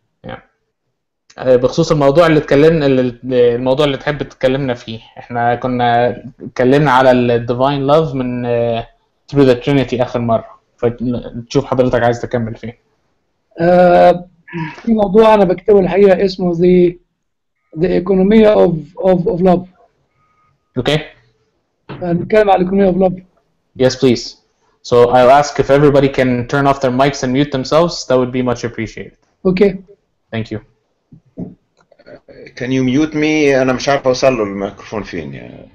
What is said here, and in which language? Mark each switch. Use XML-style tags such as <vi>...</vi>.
<ar>Yeah. بخصوص الموضوع اللي اتكلمنا الموضوع اللي تحب تكلمنا فيه احنا كنا اتكلمنا على ال Divine Love من Through the Trinity اخر مرة فتشوف حضرتك عايز تكمل فيه. في موضوع انا بكتبه الحقيقة اسمه The Economy of Love. اوكي. نتكلم على Economy of Love.</ar> <en>Yes please. So I'll ask if everybody can turn off their mics and mute themselves, that would be much appreciated. Okay. Thank you. Can you mute me?</en> <ar>أنا مش عارف أوصل له الميكروفون فين.</ar>